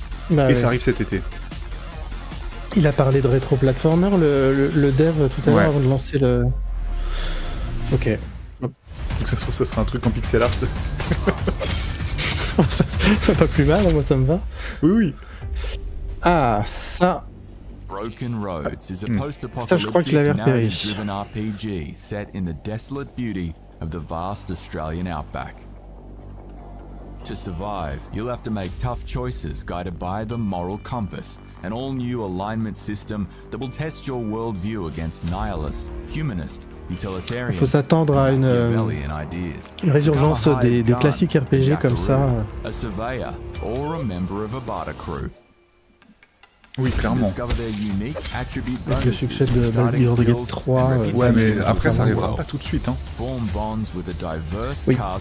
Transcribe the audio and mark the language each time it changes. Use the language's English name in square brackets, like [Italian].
[French] Bah et ouais. Ça arrive cet été. Il a parlé de rétro platformer, le dev tout à l'heure, ouais. Avant de lancer le. Ok. Donc ça se trouve, ça sera un truc en pixel art. Ça pas plus mal, moi ça me va. Oui. Ah, ça. [English] Broken Roads is a post-apocalyptic narrative-driven RPG set in the desolate beauty of the vast Australian outback. To survive, you'll have to make tough choices guided by the moral compass, an all-new alignment system that will test your worldview against nihilist, humanist, utilitarian. [French] Faut s'attendre à une résurgence des classiques RPG comme ça. [English] A surveyor or a member of a barter crew. [French] Oui, clairement. Avec le succès de Baldur's Gate 3. Ouais, mais après, ça arrivera pas tout de suite, hein. Oui.